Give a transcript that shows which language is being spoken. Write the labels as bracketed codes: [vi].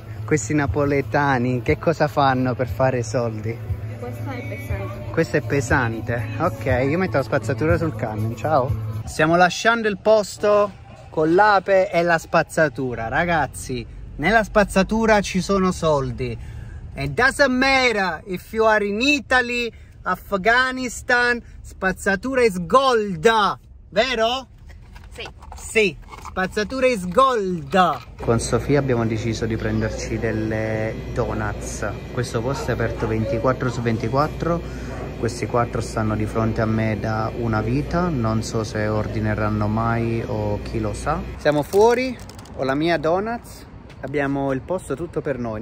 [it] Questi napoletani che cosa fanno per fare soldi? Questa è pesante. Questa è pesante. Ok, io metto la spazzatura sul camion. Ciao. Stiamo lasciando il posto con l'ape e la spazzatura. Ragazzi, nella spazzatura ci sono soldi. [en] It doesn't matter if you are in Italy, Afghanistan, spazzatura is gold, [it] vero? Sì. Sì, spazzatura [en] is gold. [it] Con Sofia abbiamo deciso di prenderci delle donuts. Questo posto è aperto 24 su 24. Questi quattro stanno di fronte a me da una vita. Non so se ordineranno mai o chi lo sa. Siamo fuori, ho la mia donuts. Abbiamo il posto tutto per noi.